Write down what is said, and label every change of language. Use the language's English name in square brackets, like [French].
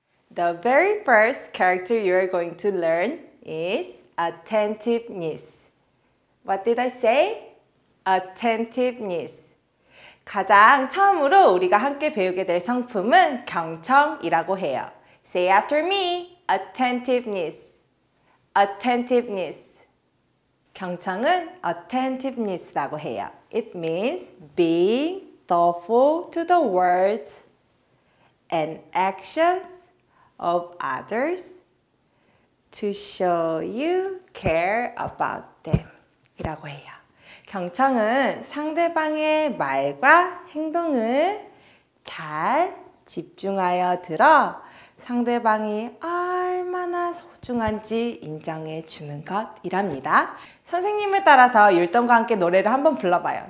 [English] The first character you are going to learn is attentiveness. What did I say? Attentiveness. [Korean] 가장 처음으로 우리가 함께 배우게 될 성품은 경청이라고 해요. [English] Say after me. Attentiveness. Attentiveness. [Korean] 경청은 attentiveness라고 해요. [English] It means being thoughtful to the words and actions of others to show you care about them [Korean] 이라고 해요. 경청은 상대방의 말과 행동을 잘 집중하여 들어 상대방이 얼마나 소중한지 인정해 주는 것이랍니다. 선생님을 따라서 율동과 함께 노래를 한번 불러봐요.